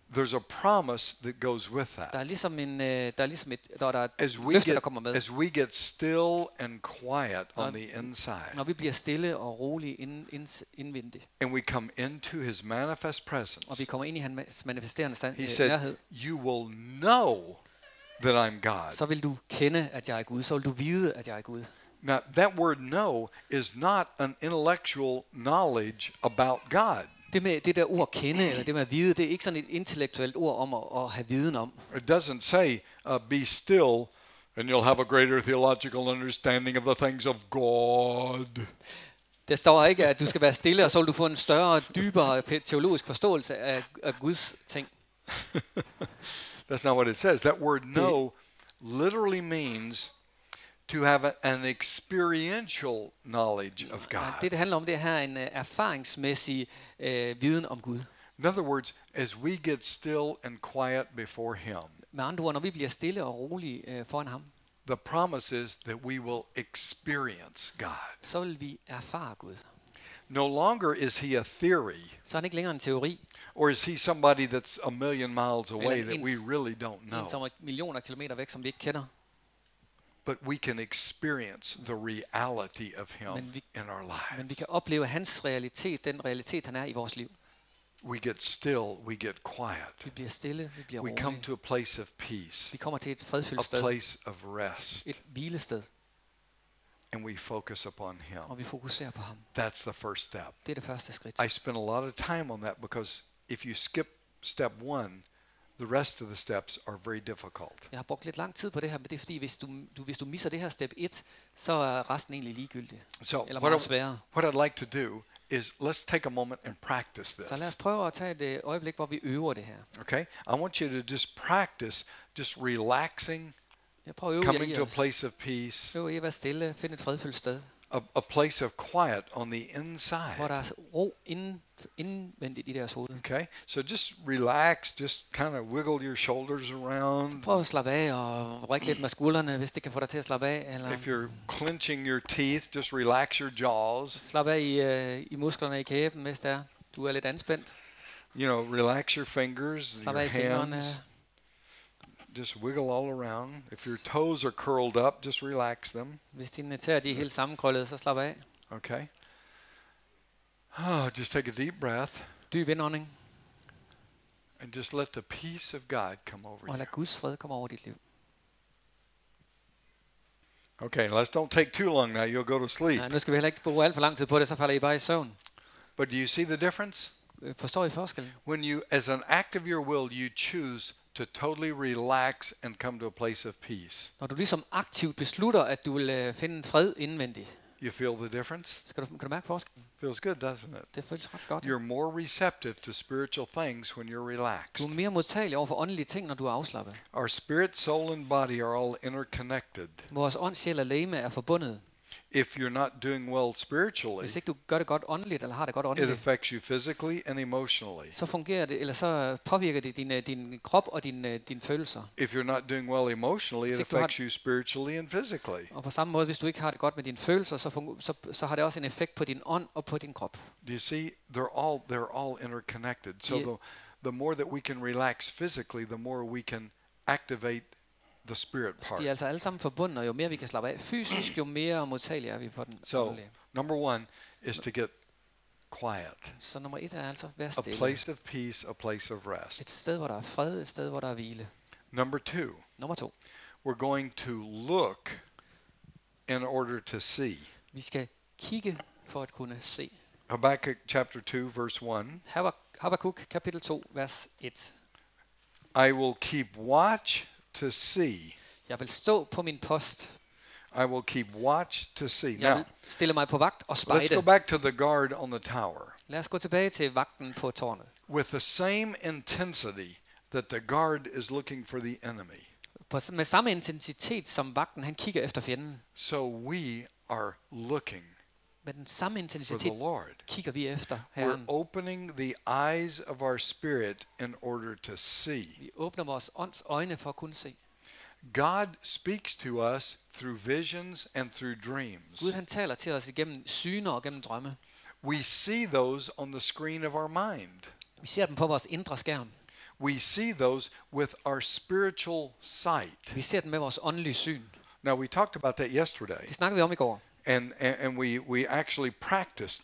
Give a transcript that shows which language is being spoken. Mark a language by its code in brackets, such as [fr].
[en] There's a promise that goes with that. [da] Der er ligesom en der kommer med. [en] As we get still and quiet on the inside. [da] Når vi bliver stille og rolige indvendig. [en] And we come into his manifest presence. [da] Og vi kommer ind i hans manifesterende nærhed. [en] He said, you will know that I'm God. [da] Så vil du kende at jeg er Gud, så vil du vide at jeg er Gud. [en] Now that word know is not an intellectual knowledge about God. [da] Det med det der ord kende eller det med at vide, det er ikke sådan et intellektuelt ord om at have viden om. [en] It doesn't say be still and you'll have a greater theological understanding of the things of God. [da] Det står ikke at du skal være stille og så vil du få en større dybere teologisk forståelse af Guds ting. [en] That's not what it says. That word know literally means to have an experiential knowledge of God. [da] Det handler om det her en erfaringsmæssig viden om Gud. [en] In other words, as we get still and quiet before him. [da] Med andre ord, når vi bliver stille og rolige foran ham. [en] The promise is that we will experience God. [da] Så vil vi erfare Gud. [en] No longer is he a theory. [da] Så er han ikke længere en teori. [en] Or is he somebody that's a million miles away that we really don't know. [da] Som er millioner kilometer væk som vi ikke kender. [en] But we can experience the reality of him in our lives. [da] Men vi kan opleve hans realitet, den realitet han er i vores liv. [en] We get still, we get quiet. [da] Vi bliver stille, vi bliver rolige. [en] We come to a place of peace. [da] Vi kommer til et fredfyldt sted. [en] A place of rest. [da] Et hvilested. [en] And we focus upon him. [da] Og vi fokuserer på ham. [en] That's the first step. [da] Det er det første skridt. [en] I spend a lot of time on that because if you skip step one, the rest of the steps are very difficult. [da] Jeg har brugt lidt lang tid på det her, men det er fordi hvis du misser det her step 1, så er resten egentlig ligegyldig. [en] So [da] eller meget sværere. [en] What I'd like to do is let's take a moment and practice this. [da] Så lad os prøve at tage et øjeblik, hvor vi øver det her. [en] Okay? I want you to just practice just relaxing. [da] Jeg prøver at øve [en] coming to a place of peace. [da] Jo, I være stille, finde et fredfyldt sted. [en] A place of quiet on the inside. [da] Hvor der er ro indvendigt i deres hoved. [en] Okay? So just relax, just kind of wiggle your shoulders around. [da] Så prøv at slappe af og rykke lidt med skuldrene, hvis det kan få dig til at slappe af. Eller [en] if you're clenching your teeth, just relax your jaws. [da] Slap af i musklerne i kæben, hvis det er. Du er lidt anspændt. [en] You know, relax your fingers, [da] slap [en] your hands. [da] Fingrene. [en] Just wiggle all around. If your toes are curled up, just relax them. [da] Hvis dine tæer er helt sammenkrøllede, så slap af. [en] Okay. Oh, just take a deep breath. [da] Dyb indånding. [en] And just let the peace of God come over you. [da] Og lad Guds fred komme over dit liv. [en] Okay, let's don't take too long now. You'll go to sleep. [da] Nej, nu skal vi heller ikke bruge alt for lang tid på det, så falder I bare i søvn. [en] But do you see the difference? [da] Forstår I forskellen? [en] When you, as an act of your will, you choose to totally relax and come to a place of peace. [da] Når du ligesom aktivt beslutter at du vil finde fred indvendig. [en] You feel the difference? [da] Kan du mærke forskellen? [en] Feels good, doesn't it? [da] Det føles ret godt. [en] You're more receptive to spiritual things when you're relaxed. [da] Du er mere modtagelig over for åndelige ting når du er afslappet. [en] Our spirit, soul and body are all interconnected. [da] Vores ånd, sjæl og legeme er forbundet. [en] If you're not doing well spiritually, [da] hvis ikke du gør det godt åndeligt eller har det godt åndeligt, [en] it affects you physically and emotionally. [da] Så fungerer det eller så påvirker det din krop og din følelser. [en] If you're not doing well emotionally, it affects you spiritually and physically. [da] Og på samme måde, hvis du ikke har det godt med dine følelser, så har det også en effekt på din ånd og på din krop. [en] Do you see? They're all interconnected. So the more that we can relax physically, the more we can activate the spirit part. [da] De er altså alle sammen forbundet, og jo mere vi kan slappe af fysisk, jo mere modtagelige er vi på den. [en] So, number one is to get quiet. [da] Så nummer et er altså være stille. [en] A place of peace, a place of rest. [da] Et sted hvor der er fred, et sted hvor der er hvile. Nummer to. [en] We're going to look in order to see. [da] Vi skal kigge for at kunne se. [en] Habakkuk chapter 2 verse 1. [da] Habakkuk kapitel 2 vers 1. [en] I will keep watch to see. [da] Jeg vil stå på min post. [en] I will keep watch to see. Now, [da] stille mig på vagt og spejde. [en] Let's go back to the guard on the tower. [da] Lad os gå tilbage til vagten på tårnet. [en] With the same intensity that the guard is looking for the enemy. [da] Med samme intensitet som vagten, han kigger efter fjenden. [en] So we are looking. [da] Med den samme intensitet kigger vi efter Herren. [en] We're opening the eyes of our spirit in order to see. [da] Vi åbner vores ånds øjne for at kunne se. [en] God speaks to us through visions and through dreams. [da] Gud han taler til os igennem syner og gennem drømme. [en] We see those on the screen of our mind. [da] Vi ser dem på vores indre skærm. [en] We see those with our spiritual sight. [da] Vi ser dem med vores åndelige syn. [en] Now we talked about that yesterday. [da] Det snakkede vi om i går. [en] And we actually practiced